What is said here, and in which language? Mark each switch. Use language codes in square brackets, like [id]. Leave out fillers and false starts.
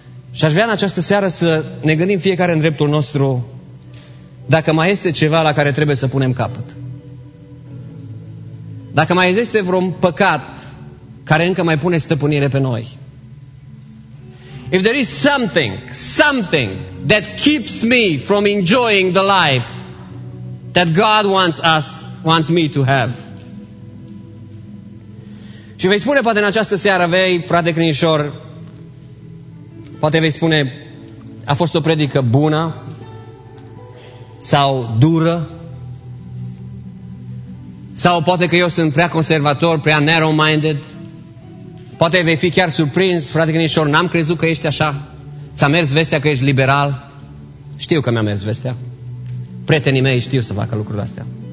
[ro] Și aș vrea în această seară să ne gândim fiecare în dreptul nostru dacă mai este ceva la care trebuie să punem capăt. Dacă mai este vreun păcat care încă mai pune stăpânire pe noi. [en] If there is something that keeps me from enjoying the life that God wants me to have. [ro] Și vei spune poate în această seară, vei, frate Crinișor, poate vei spune, a fost o predică bună sau dură, sau poate că eu sunt prea conservator, prea narrow-minded, poate vei fi chiar surprins, frate Crinișor, n-am crezut că ești așa, ți-a mers vestea că ești liberal, știu că mi-a mers vestea, prietenii mei știu să facă lucrurile astea.